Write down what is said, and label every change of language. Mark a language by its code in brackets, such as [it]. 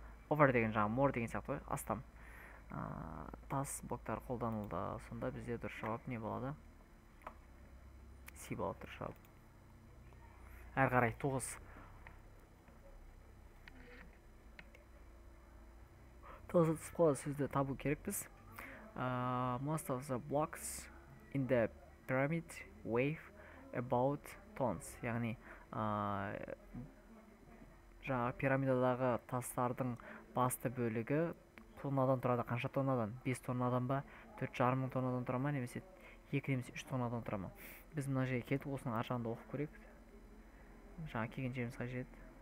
[kk] Over деген жаңа more деген сияқты ғой. Астам. Тас блоктар қолданылды. Сонда бізде дұрыс жауап не болады? Си болып тұрша. Әр қарай 9. Тозы түсіп қалады сөзді табу керекпіз. [en] Most of the blocks in the pyramid weigh about tons. [kk] Яғни жаңа пирамидадағы тастардың басты бөлігі тоннадан тұрады. Қанша тоннадан? 5 тоннадан ба? 4,5 мың тоннадан тұра ма? Немесе 2 немесе 3 тоннадан тұра ма? Біз мына жерге келдік, осының ар жағында оқып көрейік. Жаңа келген жеріміз қажет.